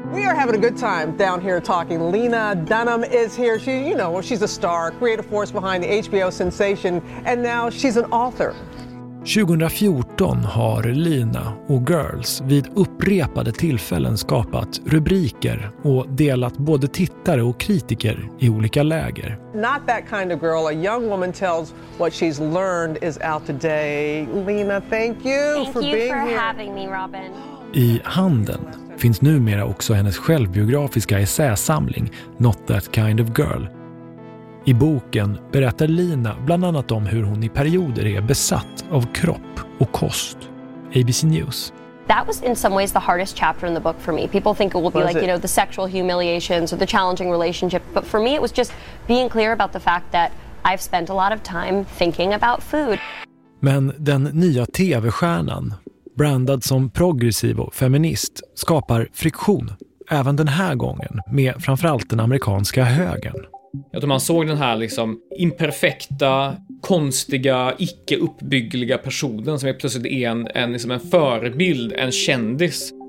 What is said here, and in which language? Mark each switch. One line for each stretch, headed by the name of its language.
English: Having a good time down here talking. Lena Dunham is here. She, you know, she's a star, creative force behind the HBO sensation, and now she's an author.
Swedish: 2014 har Lena och Girls vid upprepade tillfällen skapat rubriker och delat både tittare och kritiker i olika läger.
English: Not that kind of girl. A young woman tells what she's learned is out today. Lena, thank you for being here. Having me, Robin.
Swedish: I handen finns numera också hennes självbiografiska essäsamling Not That Kind of Girl. I boken berättar Lina bland annat om hur hon i perioder är besatt av kropp och kost.
English: ABC News. That was in some ways the hardest chapter in the book for me. People think it will be like, you know, the sexual humiliations or the challenging relationship, but for me it was just being clear about the fact that I've spent a lot of time thinking about food.
Swedish: Men den nya TV-stjärnan, brandad som progressiv och feminist, skapar friktion även den här gången med framförallt den amerikanska högern. Jag tror man såg den här liksom imperfekta, konstiga, icke-uppbyggliga personen som är plötsligt en förebild, en kändis.